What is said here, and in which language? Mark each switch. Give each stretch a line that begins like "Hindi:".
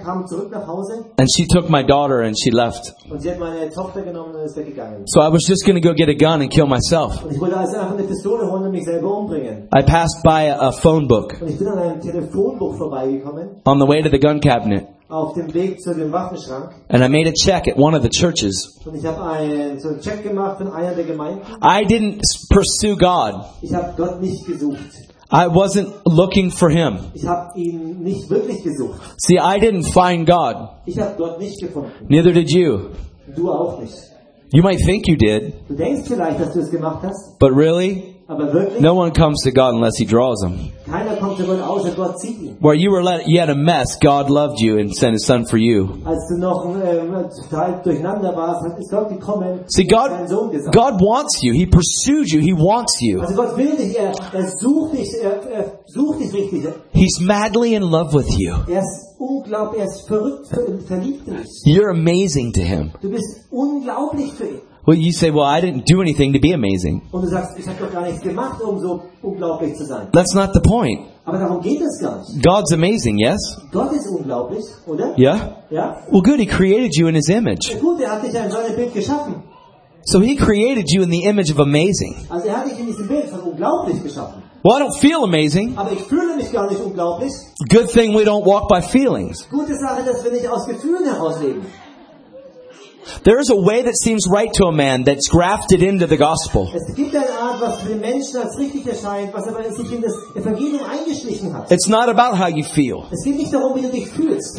English: And she took my daughter and she left. So I was just going to go get a gun and kill myself. I passed by a phone book on the way to the gun cabinet.
German: Auf dem Weg zu dem Waffenschrank.
English: And I made a check at one of the churches.
German: Und ich habe einen Check gemacht von einer der Gemeinden.
English: I didn't pursue God.
German: Ich habe Gott nicht gesucht.
English: I wasn't looking for him.
German: Ich hab ihn nicht wirklich gesucht.
English: See, I didn't find God.
German: Ich hab Gott nicht gefunden.
English: Neither did you.
German: Du auch nicht.
English: You might think you did.
German: Du denkst vielleicht, dass du es gemacht hast.
English: But really?
German: Aber wirklich?
English: No one comes to God unless he draws them.
German: Keiner kommt zu Gott, außer Gott zieht ihn.
English: Where you were led, you had a mess, God loved you and sent his son for you.
German: Als du noch total durcheinander warst, hat Gott gekommen.
English: See, God wants you. He pursues you. He wants you.
German: Also Gott will dich. Er sucht dich richtig.
English: He's madly in love with you.
German: Er ist verrückt, verliebt in dich.
English: You're amazing to him.
German: Du bist unglaublich für ihn.
English: Well, you say, well, I didn't do anything to be amazing.
German: Und du sagst, ich hab doch gar nichts gemacht, um so unglaublich zu sein.
English: That's not the point.
German: Aber darum geht es gar nicht.
English: God's amazing, yes?
German: Gott ist unglaublich, oder?
English: Yeah?
German: Ja?
English: Well, good, he created you in his image.
German: Ja, gut, er hat dich ja in seinem Bild geschaffen.
English: So he created you in the image of amazing.
German: Also er hat dich in diesem Bild von unglaublich geschaffen.
English: Well, I don't feel amazing.
German: Aber ich fühle mich gar nicht unglaublich.
English: Good thing we don't walk by feelings.
German: Gute Sache, dass wir nicht aus Gefühlen heraus leben.
English: There is a way that seems right to a man that's grafted into the gospel.
German: Es gibt eine Art, was für den Menschen als richtig erscheint, was aber sich in das Evangelium eingeschlichen hat.
English: It's not about how you feel.
German: Es geht nicht darum, wie du dich fühlst.